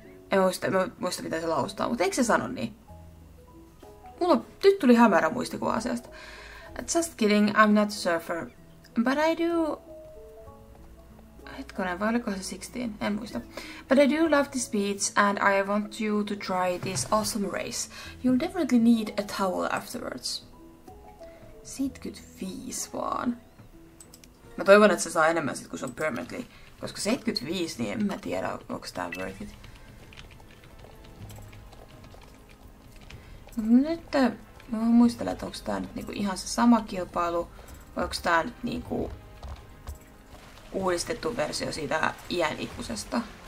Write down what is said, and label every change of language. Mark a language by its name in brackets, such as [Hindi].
[Finnish] En muista, mitä se laustaa, mutta eikö se sano niin? Mulla nyt tuli hämärä muistikuva asiasta. [English] Just kidding, I'm not a surfer. But I do... [Finnish] Hetkonen, vai oliko se 16? En muista. [English] But I do love this beach and I want you to try this awesome race. You'll definitely need a towel afterwards. [Finnish] 75 vaan. Mä toivon, että se saa enemmän sit, kun se on permanently. Koska 75, niin en mä tiedä, onks tää worth it. Nyt mä muistelen, että onks tää nyt niinku ihan se sama kilpailu, vai onks tää nyt niinku uudistettu versio siitä iänikuisesta.